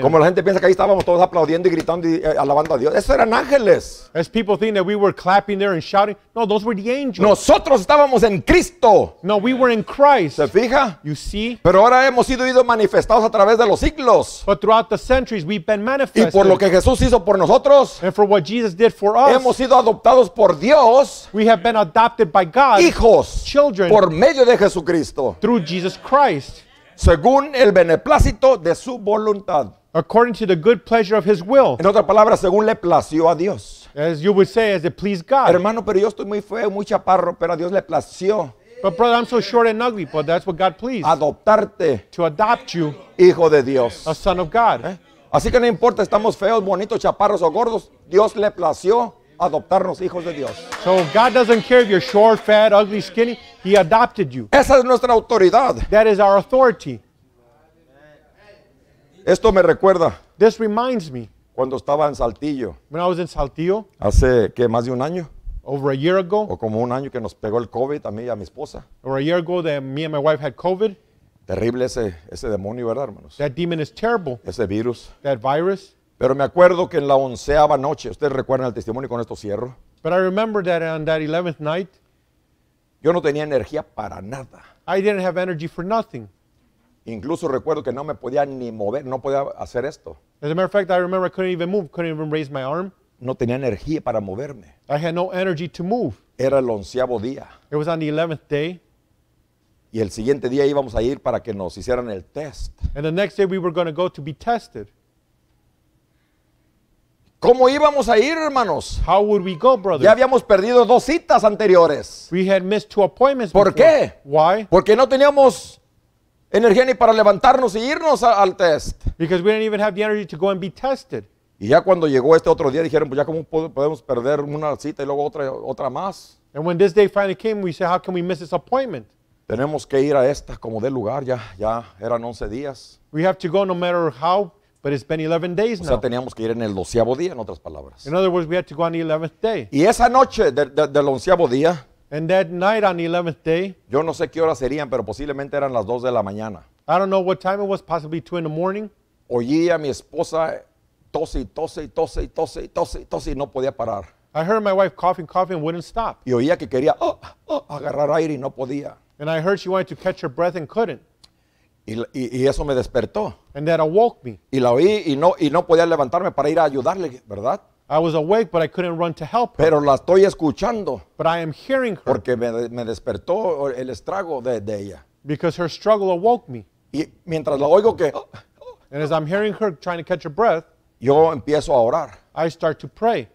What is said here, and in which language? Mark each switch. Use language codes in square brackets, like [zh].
[es] Como la gente piensa que ahí estábamos todos aplaudiendo y gritando y alabando a Dios. Esos eran ángeles. [en] As people think that we were clapping there and shouting. No, those were the angels. [es] Nosotros estábamos en Cristo. [en] No, we were in Christ. [es] ¿Se fija? [en] You see? [es] Pero ahora hemos sido manifestados a través de los siglos. [en] But throughout the centuries we've been manifested. [es] Y por lo que Jesús hizo por nosotros. [en] And for what Jesus did for us. [es] Hemos sido adoptados por Dios. [en] We have been adopted by God. [es] Hijos. [en] Children. [es] Por medio de Jesucristo. [en] Through Jesus Christ. [es] Según el beneplácito de su voluntad. [en] According to the good pleasure of his will. [es] En otra palabra, según le plació a Dios. [en] As you would say, as it pleased God. [es] Hermano, pero yo estoy muy feo, muy chaparro, pero a Dios le plació. [en] But brother, I'm so short and ugly, but that's what God pleased. [es] Adoptarte. [en] To adopt you. [es] Hijo de Dios. [en] A son of God. ¿Eh? [es] Así que no importa, estamos feos, bonitos, chaparros o gordos, Dios le plació adoptarnos hijos de Dios. [en] So God doesn't care if you're short, fat, ugly, skinny. He adopted you. [es] Esa es nuestra autoridad. [en] That is our authority. [es] Esto me recuerda. [en] This reminds me. [es] Cuando estaba en Saltillo. [en] When I was in Saltillo. [es] Hace que más de un año. [en] Over a year ago. [es] O como un año que nos pegó el COVID a mí y a mi esposa. [en] Over a year ago that me and my wife had COVID. [es] Terrible ese demonio, ¿verdad, hermanos? [en] That demon is terrible. [es] Ese virus. [en] That virus. [es] Pero me acuerdo que en la onceava noche, ustedes recuerdan el testimonio, con esto cierro. [en] But I remember that on that 11th night, [es] yo no tenía energía para nada. [en] I didn't have energy for nothing. [es] Incluso recuerdo que no me podía ni mover, no podía hacer esto. [en] As a matter of fact, I remember I couldn't even move, couldn't even raise my arm. [es] No tenía energía para moverme. [en] I had no energy to move. [es] Era el onceavo día. [en] It was on the 11th day. [es] Y el siguiente día íbamos a ir para que nos hicieran el test. [en] And the next day we were going to go to be tested. [es] ¿Cómo íbamos a ir, hermanos? [en] How would we go, brother? [es] Ya habíamos perdido dos citas anteriores. [en] We had missed two appointments before. [es] ¿Por qué? [en] Why? [es] Porque no teníamos energía ni para levantarnos y irnos al test. [en] Because we didn't even have the energy to go and be tested. [es] Y ya cuando llegó este otro día, dijeron, pues ya cómo podemos perder una cita y luego otra más. [en] And when this day finally came, we said, how can we miss this appointment? [es] Tenemos que ir a esta como de lugar, ya eran 11 días. [en] We have to go no matter how. But it's been 11 days now. [es] O sea, teníamos que ir en el doceavo día, en otras palabras. [en] In other words, we had to go on the 11th day. [es] Y esa noche del onceavo día. [en] And that night on the 11th day. [es] Yo no sé qué horas serían, pero posiblemente eran las 2 de la mañana. [en] I don't know what time it was, possibly 2 in the morning. [es] Oí a mi esposa tose, tose, tose, tose, tose, tose, y no podía parar. [en] I heard my wife coughing, coughing, wouldn't stop. [es] Y oía que quería agarrar aire y no podía. [en] And I heard she wanted to catch her breath and couldn't. [es] Y eso me despertó. [en] And that awoke me. [es] Y la oí y no podía levantarme para ir a ayudarle, ¿verdad? [en] I was awake, but I couldn't run to help her. [es] Pero la estoy escuchando. [en] But I am hearing her. [es] Porque me despertó el estrago de ella. [en] Because her struggle awoke me. [es] Y mientras la oigo que... [en] And as I'm hearing her trying to catch her breath, [es] yo empiezo a orar. [en] I start to pray.